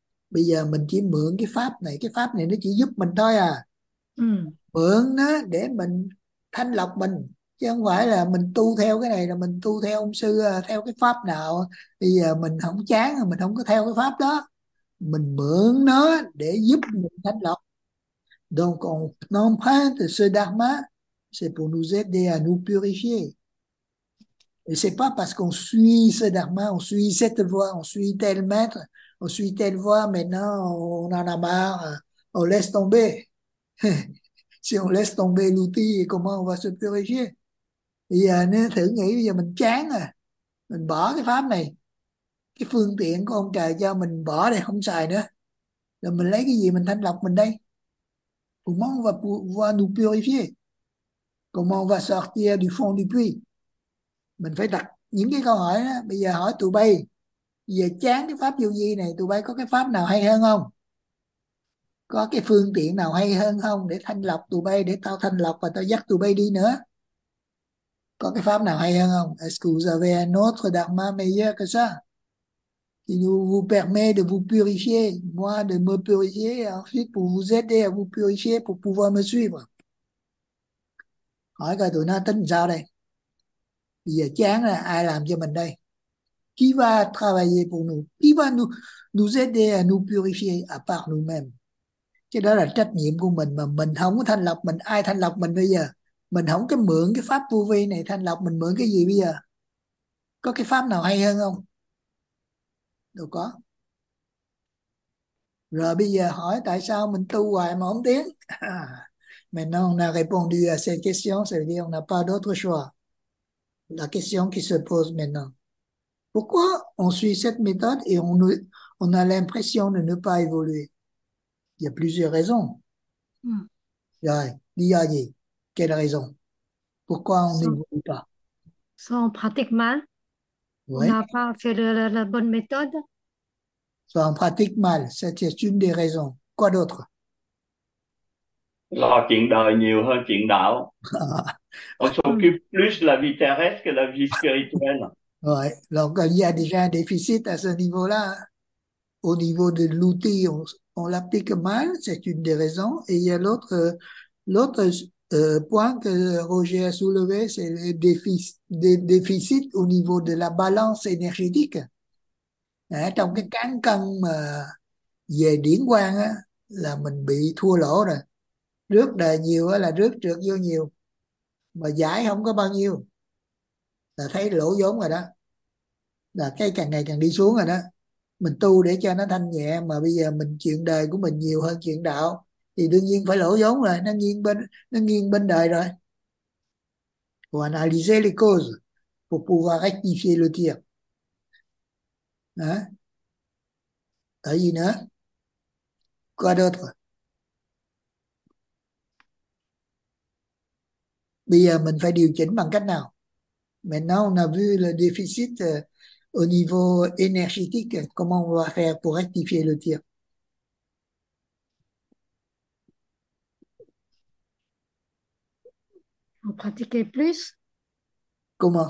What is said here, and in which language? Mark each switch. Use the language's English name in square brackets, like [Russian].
[Vietnamese] Bây giờ mình chỉ mượn cái pháp này. Cái pháp này nó chỉ giúp mình thôi à. Mượn nó để mình thanh lọc mình. Chứ không phải là mình tu theo cái này, là mình tu theo ông sư, theo cái pháp nào. Bây giờ mình không chán, mình không có theo cái pháp đó. Mình mượn nó để giúp mình thanh lọc. [French] Donc, on emprunte ce dharma, c'est pour nous aider à nous purifier. Et c'est pas parce qu'on suit ce dharma, on suit cette voie, on suit tel maître, on suit telle voie, maintenant, on en a marre, on laisse tomber. Si on laisse tomber l'outil, comment on va se purifier? Il y a un [Vietnamese] thử nghĩ, bây giờ mình chán à. Mình bỏ cái pháp này. Cái phương tiện của ông trời cho mình bỏ đây không xài nữa. Rồi mình lấy cái gì mình thanh lọc mình đây? [French] Comment on va pouvoir nous purifier? Comment on va sortir du fond du puits? [Vietnamese] Mình phải đặt những cái câu hỏi đó. Bây giờ hỏi tụi bay, giờ chán cái pháp vô vi này, tụi bay có cái pháp nào hay hơn không? Có cái phương tiện nào hay hơn không để thanh lọc tụi bay, để tao thanh lọc và tao dắt tụi bay đi nữa? Có cái pháp nào hay hơn không? [French] Est-ce que vous avez un autre dharma meilleur que ça? Qui vous permet de vous purifier, moi de me purifier, et ensuite pour vous aider à vous purifier, pour pouvoir me suivre. [Vietnamese] Hỏi coi tụi nó tính sao đây? Bây giờ chán là ai làm cho mình đây? [French] Qui va travailler pour nous? Qui va nous aider à nous purifier à part nous-mêmes? [Vietnamese] Chứ đó là trách nhiệm của mình, mà mình không có thanh lọc mình, ai thanh lọc mình bây giờ? Mình không có mượn cái pháp vô vi này thanh lọc, mình mượn cái gì bây giờ? Có cái pháp nào hay hơn không? Đâu có. Rồi bây giờ hỏi tại sao mình tu hoài mà không tiến. [French] Maintenant on a répondu à cette question, ça veut dire on n'a pas d'autre choix. La question qui se pose maintenant. Pourquoi on suit cette méthode et on a l'impression de ne pas évoluer? Il y a plusieurs raisons. Quelle raison? Pourquoi on n'évolue pas? On pratique mal. n'a pas fait la bonne méthode. Soit on pratique mal, c'est une des raisons. Quoi d'autre? [Vietnamese] Lo chuyện đời nhiều hơn chuyện đạo. [French] On s'occupe plus la vie terrestre que la vie spirituelle. Ouais, donc il y a déjà un déficit à ce niveau-là. Au niveau de l'outil, on l'applique mal, c'est une des raisons. Et il y a l'autre point que Roger a soulevé, c'est le déficit au niveau de la balance énergétique. [Vietnamese] Hein, trong cái cán cân mà về điển quang á, là mình bị thua lỗ rồi. Rước đời nhiều á, là rước trượt vô nhiều. Mà giải không có bao nhiêu. Là thấy lỗ vốn rồi đó. Là cái càng ngày càng đi xuống rồi đó. Mình tu để cho nó thanh nhẹ mà bây giờ mình chuyện đời của mình nhiều hơn chuyện đạo thì đương nhiên phải lỗ vốn rồi, nó nghiêng bên đời rồi. [French] Pour analyser les causes pour pouvoir rectifier le tir. [Vietnamese] Hả? Cái gì nữa? [French] Quoi d'autre? [Vietnamese] Bây giờ mình phải điều chỉnh bằng cách nào? [French] Maintenant on a vu le déficit au niveau énergétique, comment on va faire pour rectifier le tir? Vous pratiquez plus? Comment?